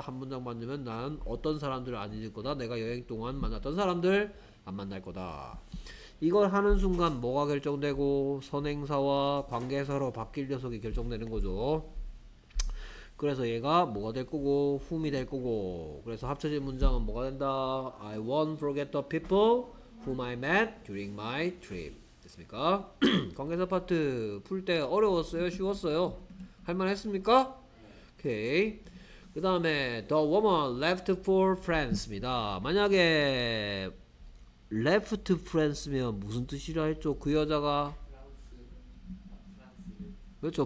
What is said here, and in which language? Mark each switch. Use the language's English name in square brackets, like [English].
[Korean] 한 문장 만들면 난 어떤 사람들을 안 잊을 거다. 내가 여행 동안 만났던 사람들 안 만날 거다. 이걸 하는 순간 뭐가 결정되고 선행사와 관계사로 바뀔 녀석이 결정되는 거죠. 그래서 얘가 뭐가 될 거고 whom이 될 거고 그래서 합쳐진 문장은 뭐가 된다. [English] I won't forget the people whom I met during my trip. [Korean] 됐습니까? 관계사 파트 풀 때 어려웠어요? 쉬웠어요? 할만했습니까? 오케이. 그 다음에 [English] the woman left for France입니다. [Korean] 만약에 [English] left France [Korean] 면 무슨 뜻이라 했죠? 그 여자가 그렇죠.